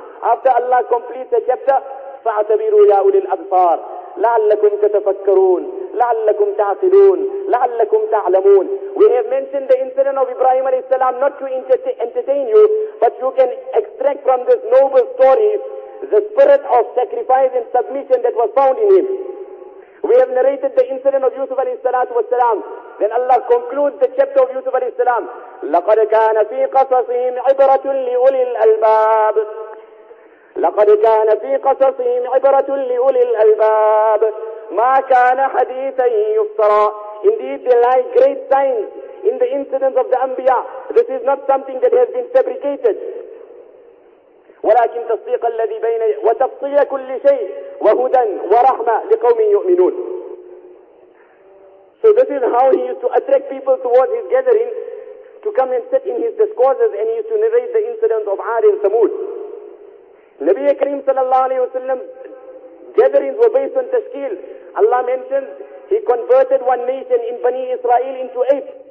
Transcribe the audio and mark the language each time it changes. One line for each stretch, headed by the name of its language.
English: After Allah completes a chapter,
Arabic: فَعَتَبِيرُوا يَا أُولِي الْأَبْصَارِ لَعَلَّكُمْ تَتَفَكَّرُونَ لَعَلَّكُمْ تَعْقِلُونَ لَعَلَّكُمْ تَعْلَمُونَ
English: We have mentioned the incident of Ibrahim alayhi salam not to entertain you, but you can extract from this noble story the spirit of sacrifice and submission that was found in him. We have narrated the incident of Yusuf alayhi salatu was salam. Then Allah concludes the chapter of Yusuf alayhi salam.
Arabic: لَقَدْ كَانَ فِي قَصَصِهِمْ عِبْرَةٌ لِأُولِي الْأَلْبَابِ لَقَدْ كَانَ فِي قَصَصِهِمْ عِبْرَةٌ لِأُولِي الْأَلْبَابِ مَا كَانَ حَدِيثًا يُفْتَرَى
English: Indeed, there lie great signs in the incidents of the Anbiya. This is not something that has been fabricated.
Arabic: ولكن تصديق الذي بين وتفصيل كل شيء وهدى ورحمة لقوم يؤمنون.
English: So this is how he used to attract people towards his gathering to come and sit in his discourses and he used to narrate the incident of Aad and Thamud. Nabi Karim sallallahu alayhi wa sallam gatherings were based on tashkil. Allah mentions He converted one nation in Bani Israel into eight.